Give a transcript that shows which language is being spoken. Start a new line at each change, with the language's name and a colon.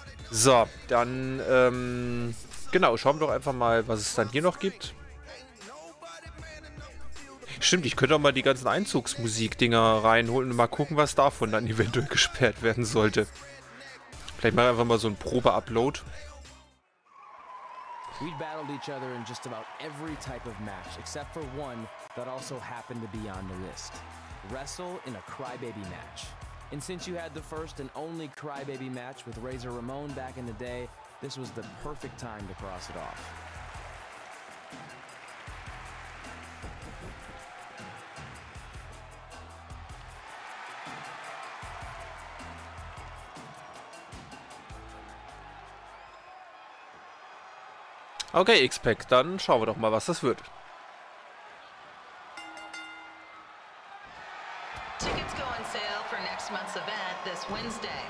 German: So, dann genau, schauen wir doch einfach mal, was es dann hier noch gibt. Stimmt, ich könnte auch mal die ganzen Einzugsmusik-Dinger reinholen und mal gucken, was davon dann eventuell gesperrt werden sollte. Vielleicht mal einfach mal so ein Probe-Upload.
English: We battled each other in just about every type of match, except for one that also happened to be on the list. Wrestle in a crybaby match. And since you had the first and only crybaby match with Razor Ramon back in the day, this was the perfect time to cross it off.
German: Okay, X-Pac, dann schauen wir doch mal, was das wird.
English: Tickets go on sale for next month's event this Wednesday.